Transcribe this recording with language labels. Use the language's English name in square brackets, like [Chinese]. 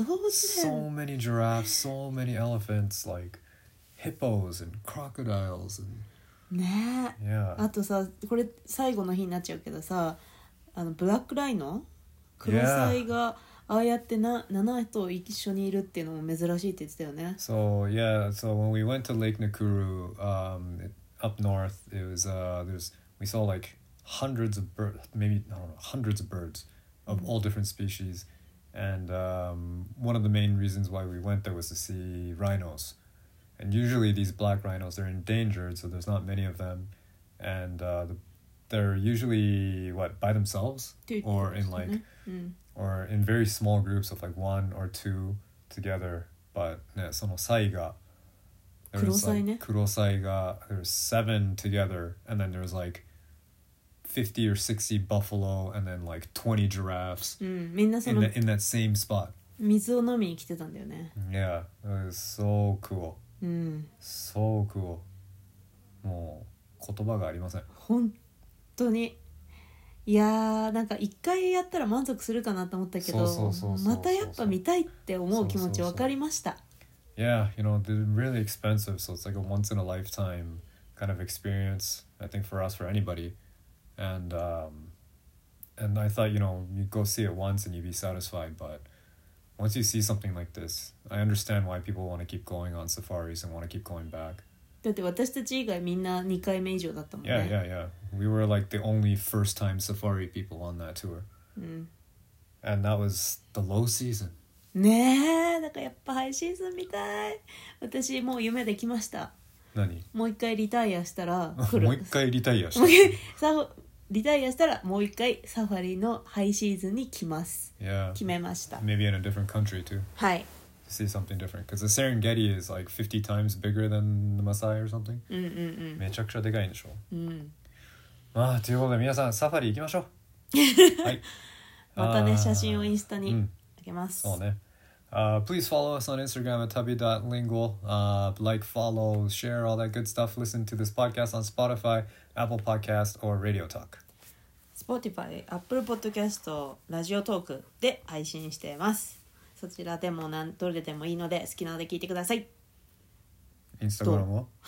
[English] So many giraffes, so many elephants, like hippos and crocodiles and yeah. [Japanese] あとさ、これ最後の日になっちゃうけどさ、あのブラックライノ、クロサイがああやってな7頭一緒にいるっていうのも珍しいって言ってたよね。 [English] So yeah, so when we went to Lake Nakuru, up north, it was we saw like hundreds of birds, maybe, I don't know, hundreds of birds of all different species. And one of the main reasons why we went there was to see rhinos. And usually these black rhinos, they're endangered, so there's not many of them. And they're usually, what, by themselves? Or in like, or in very small groups of like one or two together. But yeah, so saiga. There was like kurosaiga, there was seven together, and then there was like 50 or 60 buffalo, and then like 20 giraffes in that same spot. Yeah, it was so cool. So cool. [Japanese] もう言葉がありません。本当に。いやーなんか一回やったら満足するかなと思ったけど、またやっぱ見たいって思う気持ち分かりました。 [English] Yeah, you know, they're really expensive, so it's like a once in a lifetime kind of experience, I think for us, for anybody. And I thought, you know, you go see it once and you'd be satisfied, but once you see something like this, I understand why people want to keep going on safaris and want to keep going back. [Japanese] だって私たち以外みんな2回目以上だったもんね。 [English] Yeah. We were like the only first time safari people on that tour. And that was the low season. [Japanese] ねえ、だからやっぱハイシーズン見たい。私もう夢できました。何？もう一回リタイアしたら来る。もう一回リタイアしたら、リタイアしたらもう一回サファリのハイシーズンに来ます。 [English] Yeah. [Japanese] 決めました。 [English] Maybe in a different country too. [Japanese] はい。 [English] To see something different. Because the Serengeti is like 50 times bigger than the Maasai or something. [Japanese] めちゃくちゃでかいんでしょ。まあ、ということで皆さんサファリ行きましょう。はい。またね、写真をインスタに上げます。そうね。 [English] Please follow us on Instagram at tubby.lingual. Like, follow, share, all that good stuff. Listen to this podcast on Spotify, Apple Podcast, or Radio Talk. [Japanese] Spotify, Apple Podcast, Radio Talk で配信しています。そちらでもなんどれでもいいので好きなので聞いてください。 Instagram は？